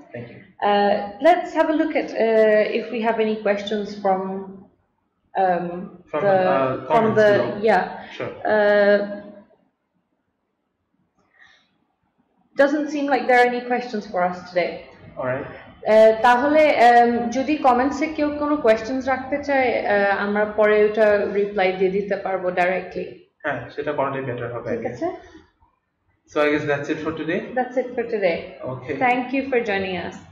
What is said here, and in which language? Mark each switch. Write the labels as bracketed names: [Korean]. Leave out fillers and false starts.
[English] Thank you. Let's have a look at if we have any questions from below. Yeah. Sure. Doesn't seem like there are any questions for us today. Alright. [Bangla] তাহলে যদি কমেন্টসে কেউ কোনো questions রাখতে চায় আমরা পরে ওটা reply দিয়ে দিতে পারবো directly. হ্যাঁ সেটা করলে better হবে. ঠিক আছে. [English] So I guess that's it for today. That's it for today. Okay. Thank you for joining us.